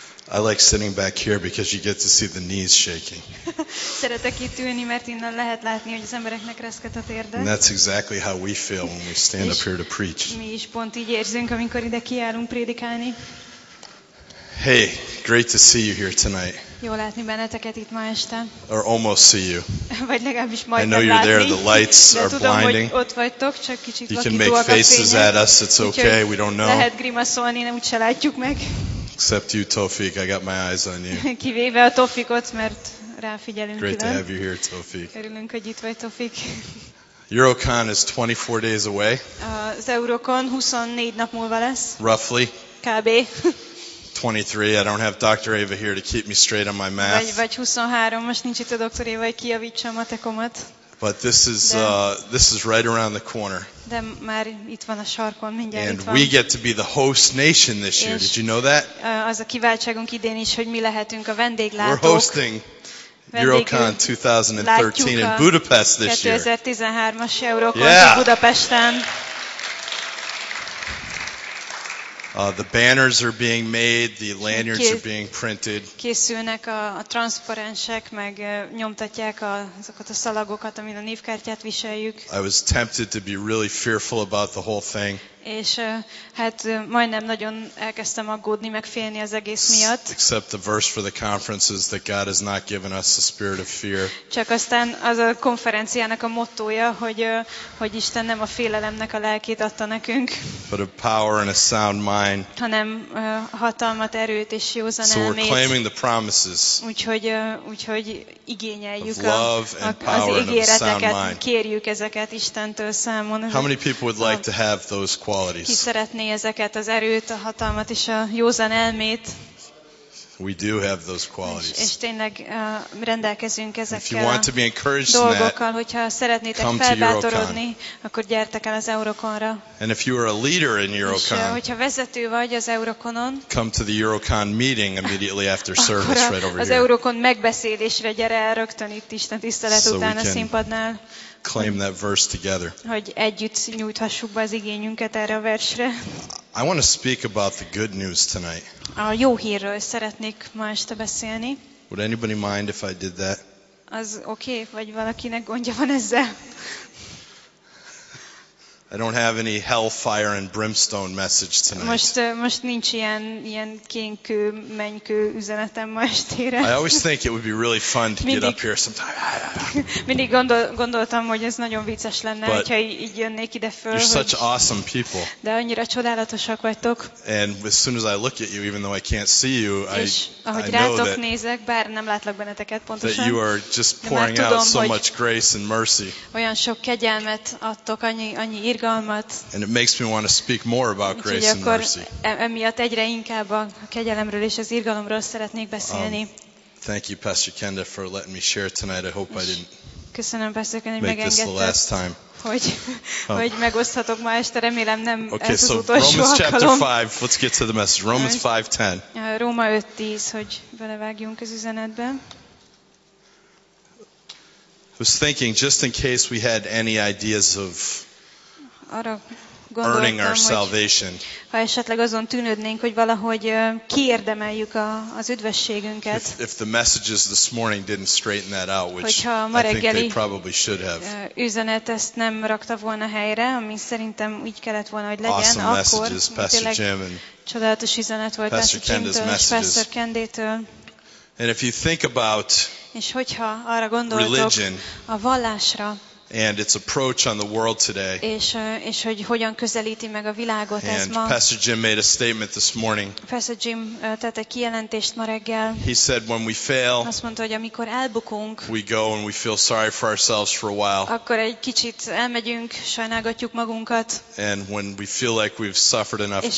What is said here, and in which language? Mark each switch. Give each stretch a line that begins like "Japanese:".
English: I like sitting back here because you get to see the knees shaking.
Hungarian: Szeretek itt ülni, mert innen lehet látni, hogy az embereknek reszket a térde.
English: And that's exactly how we feel when we stand up here to preach.
Hungarian: Mi is pont így érzünk, amikor ide kiállunk prédikálni.
English: Hey, great to see you here tonight.
Hungarian: Jó látni benneteket itt ma este.
English: Or almost see you.
Hungarian: Vagy legalábbis majdnem látni.
English: I know you're there, the lights are blinding.
Hungarian: Ott vagytok, csak kicsit lakítóak.
English: You can make faces at us, it's okay, we don't know.
Hungarian: Lehet grimaszolni, nem úgyse látjuk meg.
English: Except you, Tofik, I got my eyes on you.
Hungarian: Kivéve a Tofikot, mert ráfigyelünk.
English: Great to have you here, Tofik.
Hungarian: Örülünk, hogy itt vagy, Tofik.
English: Eurocon is 24 days away.
Hungarian: Az Eurocon 24 nap múlva lesz.
English: Roughly.
Hungarian: Kb.
English: 23. I don't have Dr. Ava here to keep me straight on my math.
Hungarian: Vagy 23. Most nincs itt a Dr. Ava, hogy kijavítsa a matekomat.
English: But this is right around the corner.
Hungarian: De már itt van a sarkon, mindjárt
English: and
Hungarian: itt van.
English: We get to be the host nation this year. Did you know that?
Hungarian: Az a kiváltságunk idén is, hogy mi lehetünk a vendéglátók.
English: We're hosting Eurocon 2013 in Budapest this year.
Hungarian: 2013-as Eurocon
English: yeah.
Hungarian: Budapesten.
English: The banners are being made, the lanyards are being printed.
Hungarian: Készülnek a transzparensek, meg nyomtatják azokat a szalagokat, amin a névkártyát viseljük.
English: I was tempted to be really fearful about the whole thing.
Hungarian: És hát majdnem nagyon elkezdtem aggódni, meg félni az egész miatt.
English: Except the verse for the conference is that God has not given us a spirit of fear.
Hungarian: Csak aztán az a konferenciának a mottója, hogy Isten nem a félelemnek a lelkét adta nekünk.
English: But a power and a sound mind.
Hungarian: Hanem hatalmat, erőt és józan
English: elmét. So we're claiming the promises.
Hungarian: Úgyhogy igényeljük az ígéreteket, kérjük ezeket Istentől számon.
English: How many people would like to have those qualities.
Hungarian: Ki szeretné ezeket, az erőt, a hatalmat és a józan elmét.
English: We do have those qualities.
Hungarian: És tényleg rendelkezünk ezekkel.
English: If you want to be encouraged
Hungarian: dolgokkal,
English: that,
Hungarian: hogyha szeretnétek felbátorodni, akkor gyertek el az Eurocon-ra.
English: And if you are a leader in Eurocon,
Hungarian: és hogyha vezető vagy az Eurocon-on,
English: come to the Eurocon meeting immediately after service right over here.
Hungarian: Az Eurocon megbeszélésre gyere el rögtön itt Isten tisztelet után a színpadnál.
English: Claim that verse together.
Hungarian: Hogy együtt nyújthassuk be az igényünket erre a versre.
English: I want to speak about the good news tonight.
Hungarian: A jó hírről szeretnék ma este beszélni.
English: Would anybody mind if I did that?
Hungarian: Az okay, vagy valakinek gondja van ezzel?
English: I don't have any hellfire and brimstone message tonight.
Hungarian: Most nincs ilyen kénkő, mennykő üzenetem ma estére.
English: I always think it would be really fun to get up here sometime.
Hungarian: Mindig gondoltam, hogy ez nagyon vicces lenne, hogyha így jönnék ide föl.
English: You're such awesome people.
Hungarian: De annyira csodálatosak vagytok.
English: And as soon as I look at you, even though I can't see you,
Hungarian: ahogy rátok nézek, bár nem látlak benneteket pontosan,
English: that you are just pouring out so much grace and mercy.
Hungarian: Olyan sok kegyelmet adtok, annyi irgalmat.
English: And it makes me want to speak more about grace and mercy.
Hungarian: Emiatt egyre inkább a kegyelemről és az irgalomról szeretnék beszélni.
English: Thank you, Pastor Kenda, for letting me share tonight. I hope I didn't
Hungarian: köszönöm, Pastor Kenda,
English: make this the last time.
Hungarian: Hogy megoszthatok ma este, remélem nem
English: okay,
Hungarian: ez az
English: so
Hungarian: utolsó
English: Romans
Hungarian: alkalom.
English: Chapter 5, let's get to the message. Romans 5:10.
Hungarian: Róma 5:10, hogy belevágjunk az üzenetbe.
English: I was thinking, just in case we had any ideas of earning our salvation.
Hungarian: Ha esetleg azon tűnődnénk, hogy valahogy kiérdemeljük az üdvösségünket.
English: If the messages this morning didn't straighten that out, which
Hungarian: hogyha ma reggeli
English: I think they probably should have.
Hungarian: Üzenet ezt nem rakta volna helyre, ami szerintem úgy kellett volna, hogy legyen,
English: awesome messages, Pastor Jim and
Hungarian: csodálatos üzenet volt Pastor Kendi-től és Pastor Kendi-től.
English: And if you think about
Hungarian: és hogyha arra gondoltok
English: religion,
Hungarian: a vallásra,
English: and its approach on the world today.
Hungarian: És hogy hogyan közelíti meg a világot ez ma.
English: And Pastor Jim made a statement this morning.
Hungarian: Pastor Jim tette egy kijelentést ma reggel.
English: He said when we fail.
Hungarian: Azt mondta, hogy amikor elbukunk.
English: We go and we feel sorry for ourselves for a while.
Hungarian: Akkor egy kicsit elmegyünk, sajnálgatjuk magunkat.
English: And when we feel like we've suffered enough guilt.